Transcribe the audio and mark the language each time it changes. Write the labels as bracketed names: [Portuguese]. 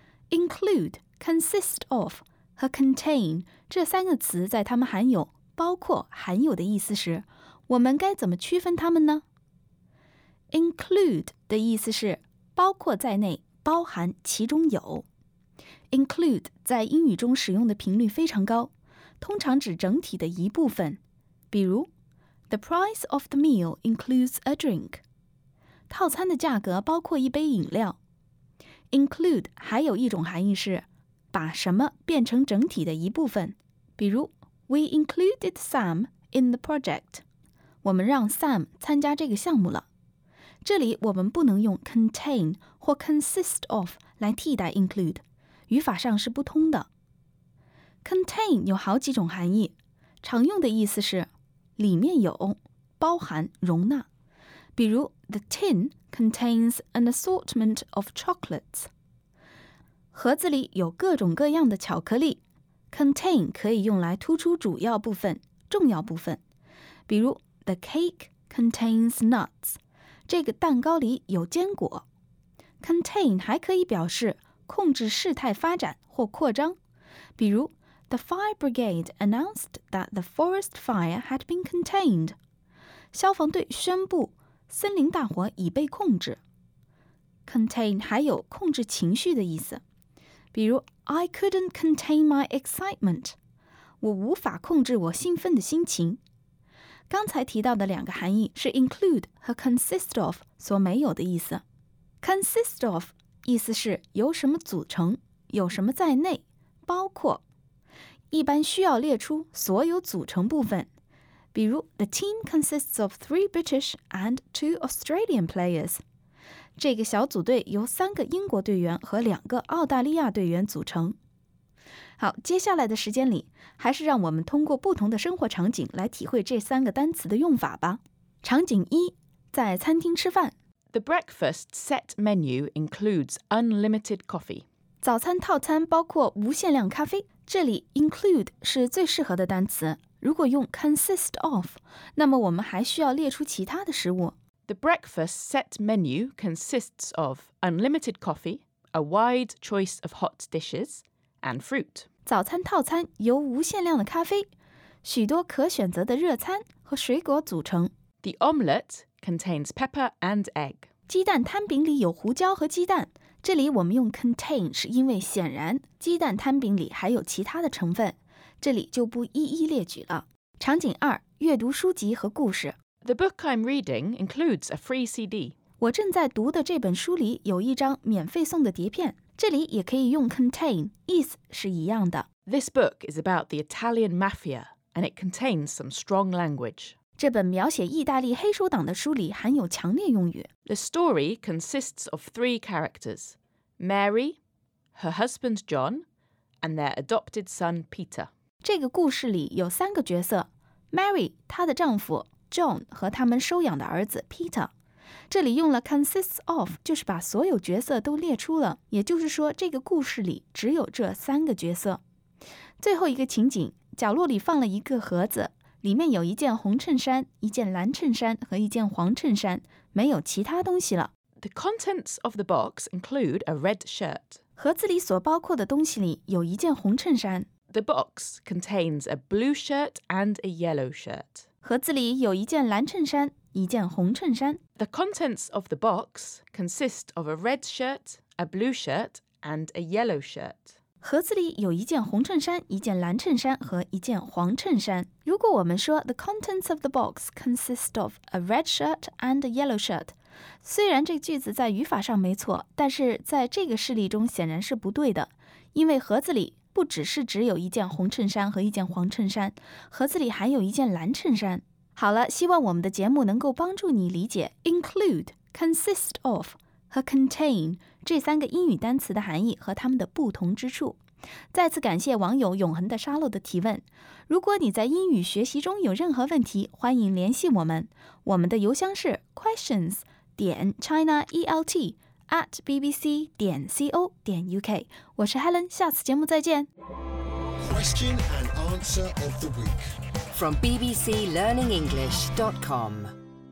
[Chinese] include, consist of 和 contain 这三个词在它们含有包括含有的意思时，我们该怎么区分它们呢？ Include 的意思是包括在内，包含其中有。 Include 在英语中使用的频率非常高，通常指整体的一部分。比如 [English] ,The price of the meal includes a drink. [Chinese] 套餐的价格包括一杯饮料。Include 还有一种含义是把什么变成整体的一部分。比如 [English] ,We included Sam in the project. [Chinese] 我们让 Sam 参加这个项目了。这里我们不能用 contain 或 consist of 来替代 include， 语法上是不通的。 contain 有好几种含义，常用的意思是里面有，包含，容纳。比如 [English] ,the tin contains an assortment of chocolates. [Chinese] 盒子里有各种各样的巧克力。contain 可以用来突出主要部分，重要部分。比如 [English] ,the cake contains nuts. [Chinese] 这个蛋糕里有坚果。 Contain 还可以表示控制事态发展或扩张。比如 [English] ,The fire brigade announced that the forest fire had been contained. [Chinese] 消防队宣布森林大火已被控制。 Contain 还有控制情绪的意思。比如 [English] ,I couldn't contain my excitement. [Chinese] 我无法控制我兴奋的心情。刚才提到的两个含义是 include 和 consist of 所没有的意思。 consist of 意思是由什么组成，有什么在内，包括。一般需要列出所有组成部分。比如 [English] ,the team consists of 3 British and 2 Australian players. [Chinese] 这个小组队由三个英国队员和两个澳大利亚队员组成。好，接下来的时间里，还是让我们通过不同的生活场景来体会这三个单词的用法吧。场景一，在餐厅吃饭。 [English] The breakfast set menu includes unlimited coffee. [Chinese] 早餐套餐包括无限量咖啡。这里 include 是最适合的单词。如果用 consist of, 那么我们还需要列出其他的食物。 [English] The breakfast set menu consists of unlimited coffee, a wide choice of hot dishes,and fruit. [Chinese] 早餐套餐由无限量的咖啡，许多可选择的热餐和水果组成。 [English] The omelette contains pepper and egg. [Chinese] 鸡蛋摊饼里有胡椒和鸡蛋。这里我们用 contain 是因为显然鸡蛋摊饼里还有其他的成分，这里就不一一列举了。场景二，阅读书籍和故事。 [English] The book I'm reading includes a free CD. [Chinese] 我正在读的这本书里有一张免费送的碟片。这里也可以用 contain, 意思是一样的。 [English] This book is about the Italian mafia, and it contains some strong language. [Chinese] 这本描写意大利黑手党的书里含有强烈用语。 [English] The story consists of three characters, Mary, her husband John, and their adopted son Peter. [Chinese] 这个故事里有三个角色， Mary, 她的丈夫 John 和他们收养的儿子 Peter。这里用了 consists of, 就是把所有角色都列出了，也就是说这个故事里只有这三个角色。最后一个情景，角落里放了一个盒子，里面有一件红衬衫，一件蓝衬衫和一件黄衬衫，没有其他东西了。 [English] The contents of the box include a red shirt. [Chinese] 盒子里所包括的东西里有一件红衬衫。 [English] The box contains a blue shirt and a yellow shirt. [Chinese] 盒子里有一件蓝衬衫。一件红衬衫。 [English] The contents of the box consist of a red shirt, a blue shirt, and a yellow shirt. [Chinese] 盒子里有一件红衬衫，一件蓝衬衫和一件黄衬衫。如果我们说 [English] the contents of the box consist of a red shirt and a yellow shirt, [Chinese] 虽然这句子在语法上没错，但是在这个事例中显然是不对的，因为盒子里不只是只有一件红衬衫和一件黄衬衫，盒子里还有一件蓝衬衫。好了，希望我们的节目能够帮助你理解 include, consist of 和 contain 这三个英语单词的含义和它们的不同之处。再次感谢网友永恒的沙漏的提问。如果你在英语学习中有任何问题，欢迎联系我们。我们的邮箱是 questions.chinaelt@bbc.co.uk。我是 Helen， 下次节目再见。 [English] Question and answer of the week from bbclearningenglish.com.